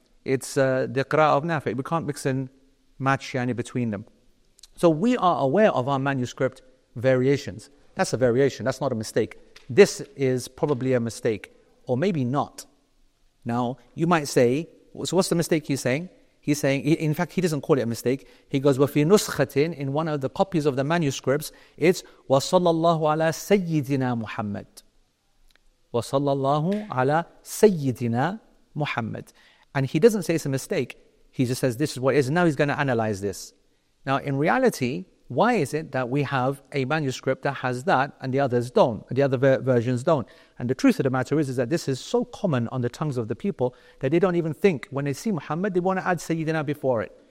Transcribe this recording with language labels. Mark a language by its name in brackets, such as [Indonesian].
[English] It's the qira'ah of Nafi. We can't mix and match yani between them. So we are aware of our manuscript variations. That's a variation. That's not a mistake. This is probably a mistake, or maybe not. Now, you might say, so what's the mistake he's saying? He's saying, in fact, he doesn't call it a mistake. He goes, [Arabic] وَفِي نُسْخَةٍ, [English] in one of the copies of the manuscripts, it's [Arabic] وَصَلَّ اللَّهُ عَلَى سَيِّدِنَا مُحَمَّدٍ وَصَلَّ اللَّهُ عَلَى سَيِّدِنَا مُحَمَّدٍ. [English] And he doesn't say it's a mistake. He just says, this is what it is. Now he's going to analyze this. Now, in reality, why is it that we have a manuscript that has that and the others don't, and the other versions don't? And the truth of the matter is that this is so common on the tongues of the people that they don't even think, when they see Muhammad, they want to add Sayyidina before it.